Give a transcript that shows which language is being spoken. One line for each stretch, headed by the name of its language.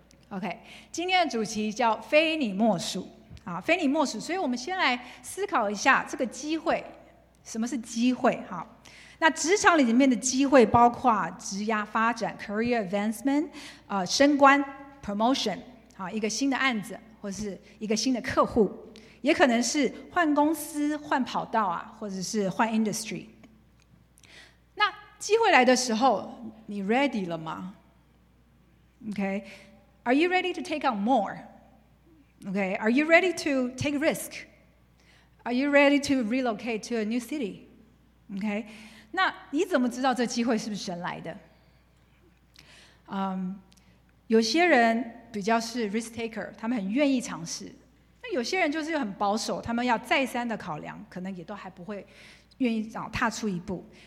Chinese: OK， 今天的主题叫非你莫属，非你莫属。所以我们先来思考一下这个机会，什么是机会，那职场里面的机会包括职涯发展 career advancement，升官 promotion，一个新的案子或是一个新的客户，也可能是换公司换跑道，或者是换 industry。那机会来的时候你 ready 了吗？ OK，
English: Are you ready to take on more? Okay, are you ready to take risk? Are you ready to relocate to a new city?
Chinese: Okay, 那你怎么知道这机会是不是神来的？有些人比较是 risk taker， 他们很愿意尝试。那有些人就是很保守，他们要再三的考量，可能也都还不会愿意踏出一步。